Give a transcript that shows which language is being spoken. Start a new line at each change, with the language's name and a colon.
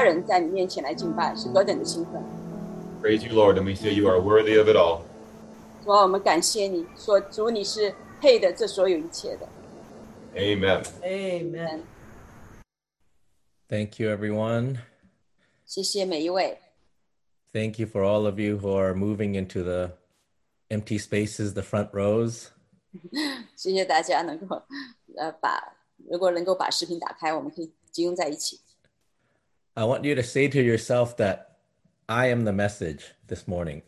Chinese: 主啊，我们特别的感恩，我们能够这样的在一起，在主日的早晨，成为一个家人，在你面前来敬拜，是多等的兴奋。
English: Praise you, Lord, and we say you are worthy of it all.
Chinese: 主啊，我们感谢你，说主你是。
English: Amen. Amen. Thank you, everyone.
Chinese: 谢谢每一位.
English: Thank you for all of you who are moving into the empty spaces, the front rows.
Chinese: 谢谢大家能够把视频打开，我们可以集中在一起.
English: I want you to say to yourself that I am the message this morning.